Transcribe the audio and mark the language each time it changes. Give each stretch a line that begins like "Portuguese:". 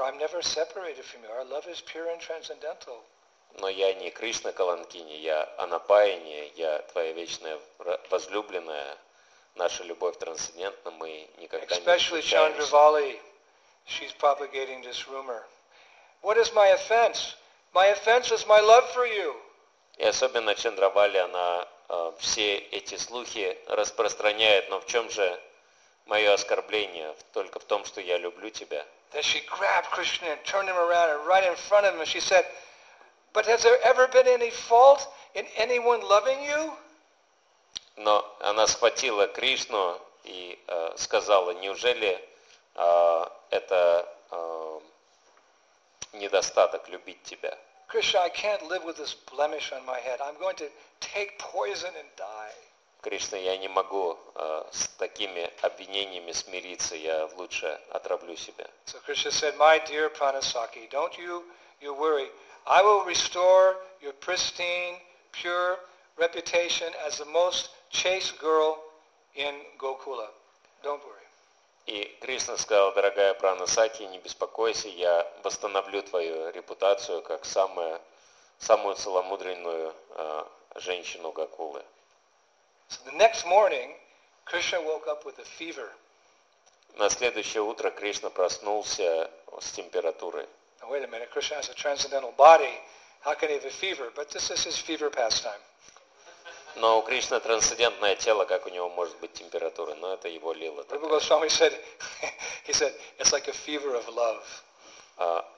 English: I'm never separated from you. Our love is pure and transcendental.
Russian: Но я не Кришна Каланкини, я Анапайини, я твоя вечная возлюбленная. Наша любовь трансцендентна, мы никогда не встречаемся.
English: Especially Chandravali. She's propagating this rumor. What is my offense? My offense is my love for you.
Russian: И особенно Чандравали, она все эти слухи распространяет, но в чем же мое оскорбление? Только в том, что я люблю тебя.
English: Then she grabbed Krishna and turned him around and right in front of him and she said, but has there ever been any fault in anyone loving you?
Russian: Но она схватила Кришну и сказала, неужели это недостаток любить тебя?
English: Krishna, I can't live with this blemish on my head. I'm going to take poison and die.
Russian: Krishna, я не могу с такими обвинениями смириться. Я лучше отравлю себя.
English: So Krishna said, my dear Pranasaki, don't you worry. I will restore your pristine, pure reputation as the most chaste girl in Gokula. Don't worry.
Russian: И Кришна сказал: дорогая Пранасаки, не беспокойся, я восстановлю твою репутацию как самую целомудренную женщину Гокулы.
English: So the next morning, Krishna woke up with a fever.
Russian: На следующее утро Кришна проснулся с температурой.
English: Wait a minute, Krishna has a transcendental body. How can he have a fever? But this is his fever pastime.
Russian: Но у Кришны трансцендентное тело, как у него может быть температура? Но это его лила.
English: Rupa Goswami said, he said, it's like a fever of love.